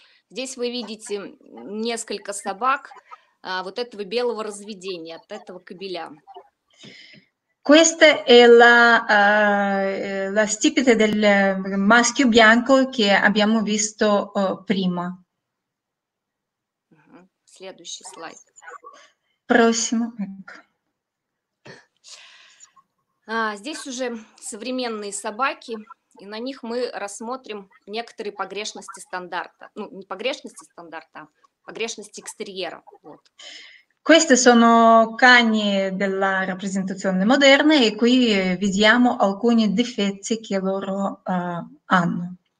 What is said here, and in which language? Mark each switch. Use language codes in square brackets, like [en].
[ru] Здесь вы видите несколько собак вот этого белого разведения, от этого кобеля. [it] Questa è la stipite del maschio bianco che abbiamo visto prima. [ru] Следующий слайд. [it] Prossimo. [ru] Здесь уже современные собаки, и на них мы рассмотрим некоторые погрешности стандарта. Ну, не погрешности стандарта, а погрешности экстерьера. Вот. [it] Questi sono cani della rappresentazione moderna e qui vediamo alcuni difetti che loro hanno.